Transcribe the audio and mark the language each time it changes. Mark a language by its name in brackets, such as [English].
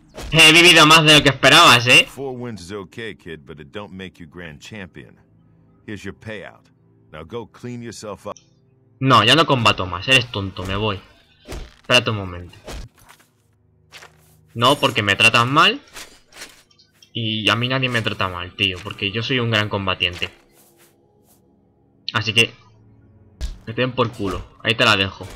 [Spanish] He vivido más de lo que esperabas, ¿eh? [English] 4 wins is okay, kid, but it don't make you grand champion. Here's your payout. Now go clean yourself up. [Spanish] No, ya no combato más, eres tonto, me voy. Espérate un momento. No, porque me tratan mal. Y a mí nadie me trata mal, tío. Porque yo soy un gran combatiente. Así que... Que te den por culo. Ahí te la dejo.